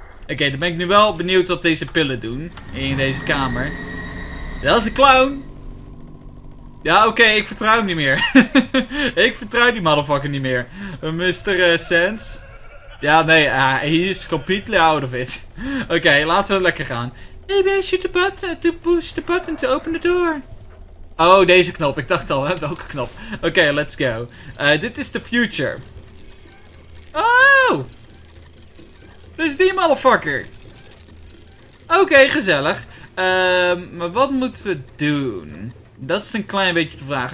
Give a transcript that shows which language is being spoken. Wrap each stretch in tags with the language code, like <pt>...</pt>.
<nl>Okay, dan ben ik nu wel benieuwd wat deze pillen doen in deze kamer. Dat is een clown. Ja, okay, ik vertrouw hem niet meer. Ik vertrouw die motherfucker niet meer. Mr. Sense. Ja, nee,</nl> <en>he is completely out of it.</en> <nl>Okay, laten we lekker gaan.</nl> <en>Maybe I should push the button to open the door.</en> <nl>Oh, deze knop. Ik dacht al, hè, welke knop.</nl> <en>Okay, let's go. Dit is the future. Oh!</en> <nl>Dit is die motherfucker. Okay, gezellig. Maar wat moeten we doen? Dat is een klein beetje de vraag.</nl>